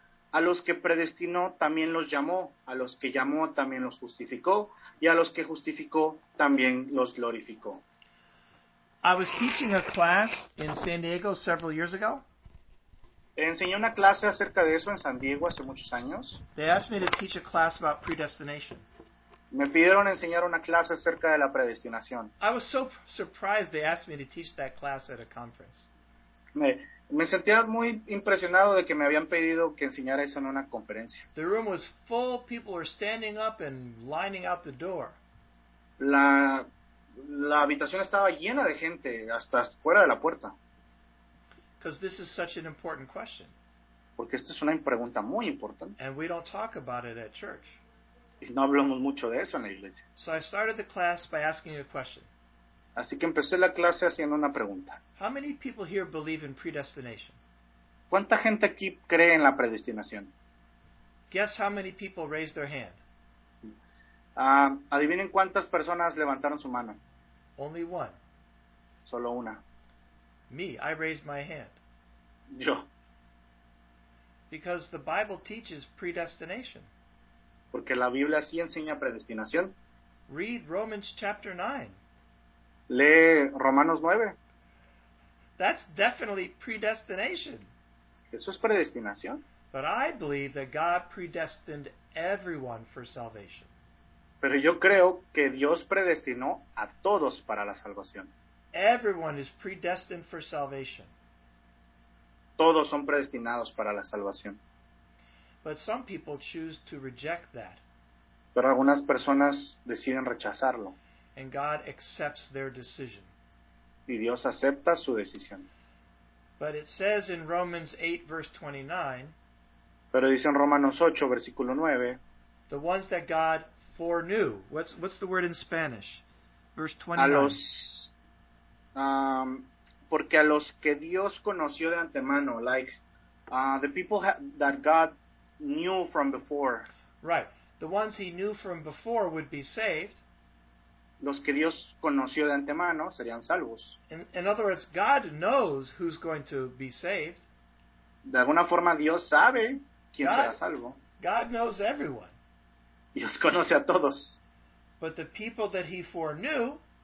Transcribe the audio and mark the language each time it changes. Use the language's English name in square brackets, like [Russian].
[Spanish] A los que predestinó, también los llamó. A los que llamó, también los justificó. Y a los que justificó, también los glorificó. [English] I was teaching a class in San Diego several years ago. [Spanish] Enseñé una clase acerca de eso en San Diego hace muchos años. [English] They asked me to teach a class about predestination. [Spanish] Me pidieron enseñar una clase acerca de la predestinación. [English] I was so surprised they asked me to teach that class at a conference. [Spanish] Me sentía muy impresionado de que me habían pedido que enseñara eso en una conferencia. [English] The room was full, people were standing up and lining out the door. [Spanish] La habitación estaba llena de gente hasta fuera de la puerta. [English] Because this is such an important question. [Spanish] Porque esto es una pregunta muy importante. [English] And we don't talk about it at church. [Spanish] Y no hablamos mucho de eso en la iglesia. [English] So I started the class by asking a question. [Spanish] Así que empecé la clase haciendo una pregunta. [English] How many people here believe in predestination? [Spanish] ¿Cuánta gente aquí cree en la predestinación? [English] Guess how many people raised their hand. [Spanish] Adivinen cuántas personas levantaron su mano. [English] Only one. [Spanish] Solo una. [English] Me, I raised my hand. [Spanish] Yo. [English] Because the Bible teaches predestination. [Spanish] Porque la Biblia sí enseña predestinación. [English] Read Romans chapter 9. [Spanish] Lee Romanos 9. [English] That's definitely predestination. [Spanish] Eso es predestinación. [English] But I believe that God predestined everyone for salvation. [Spanish] Pero yo creo que Dios predestinó a todos para la salvación. [English] Everyone is predestined for salvation. [Spanish] Todos son predestinados para la salvación. [English] But some people choose to reject that. [Spanish] Pero algunas personas deciden rechazarlo. [English] And God accepts their decision. [Spanish] Y Dios acepta su decisión. [English] But it says in Romans 8, verse 29. [Spanish] Pero dice en Romanos 8, versículo 9. [English] The ones that God foreknew. What's the word in Spanish? Verse 29. [Spanish] A los, porque a los que Dios conoció de antemano. [English] Like, the people that God knew from before. Right. The ones he knew from before would be saved. [Spanish] Los que Dios conoció de antemano serían salvos. [English] In other words, God knows who's going to be saved. [Spanish] De alguna forma, Dios sabe quién será salvo. [English] God knows everyone. [Spanish] Dios conoce a todos. [English] But the people that he foreknew,